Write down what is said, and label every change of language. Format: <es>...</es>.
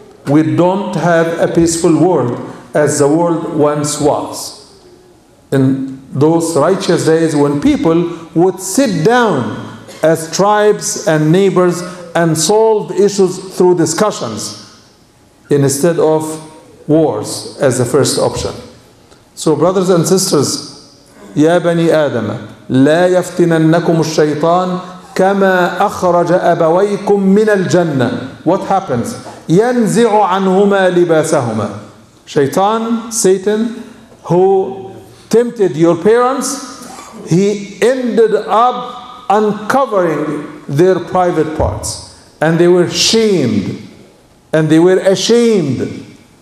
<en>We don't have a peaceful world as the world once was. In those righteous days when people would sit down as tribes and neighbors and solve issues through discussions instead of wars as the first option. So brothers and sisters,</en> <ar>يا بني آدم لا يفتننكم الشيطان كما أخرج أبويكم من الجنة.</ar> <en>What happens?</en> <ar>ينزع عنهما لباسهما.</ar> <en>Shaitan, Satan, who tempted your parents, he ended up uncovering their private parts. And they were shamed. And they were ashamed.</en>